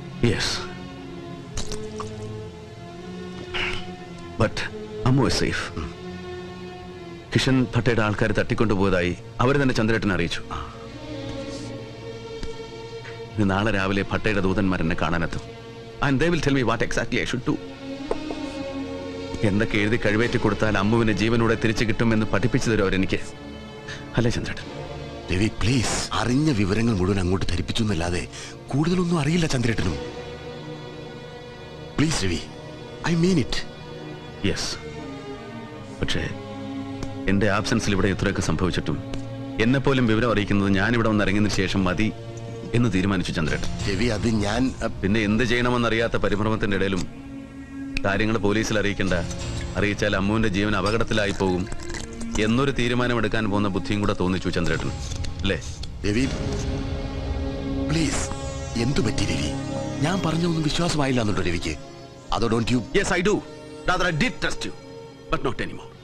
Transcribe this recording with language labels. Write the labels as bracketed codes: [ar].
[en] Yes, but Ammu is safe. [ml] Kishan ഭട്ടയുടെ ആൾക്കാരെ തട്ടിക്കൊണ്ടുപോയതായി അവർ തന്നെ ചന്ദ്രട്ടനെ അറിയിച്ചു. നാളെ രാവിലെ ഭട്ടയുടെ ദൂതന്മാർ എന്നെ കാണാനെത്തും. [en] And they will tell me what exactly I should do. [ml] എന്നൊക്കെ എഴുതി കഴിവേറ്റി കൊടുത്താൽ അമ്മുവിനെ ജീവനോടെ തിരിച്ചു കിട്ടുമെന്ന് പഠിപ്പിച്ചു തരും അവരെനിക്ക്. അല്ലേ ചന്ദ്രട്ടൻ? [en] Ravi please. [ml] അറിഞ്ഞ വിവരങ്ങൾ മുഴുവൻ അങ്ങോട്ട് ധരിപ്പിച്ചു എന്നല്ലാതെ കൂടുതലൊന്നും അറിയില്ല ചന്ദ്രേട്ടനും. [en] Please Ravi, I mean it. [ml] Yes, പക്ഷേ എന്റെ ആബ്സെൻസിൽ ഇവിടെ ഇത്രയൊക്കെ സംഭവിച്ചിട്ടും എന്നെ പോലും വിവരം അറിയിക്കുന്നത് ഞാൻ ഇവിടെ വന്ന് ഇറങ്ങിയതിനു ശേഷം മതി എന്ന് തീരുമാനിച്ചു ചന്ദ്രേട്ടൻ. രവി, അത് ഞാൻ പിന്നെ എന്ത് ചെയ്യണമെന്നറിയാത്ത പരിഭ്രമത്തിന്റെ ഇടയിലും കാര്യങ്ങൾ പോലീസിൽ അറിയിക്കണ്ട, അറിയിച്ചാൽ അമ്മുവിന്റെ ജീവൻ അപകടത്തിലായി പോകും എന്നൊരു തീരുമാനം എടുക്കാൻ പോകുന്ന ബുദ്ധിയും കൂടെ തോന്നിച്ചു ചന്ദ്രേട്ടൻ അല്ലേ? രവി പ്ലീസ്. എന്തു പറ്റി രവി? ഞാൻ പറഞ്ഞൊന്നും വിശ്വാസമായില്ല എന്നുണ്ടോ രവിക്ക്? അതോ [en] Don't you? Yes I do. Rather, I did trust you, but not anymore.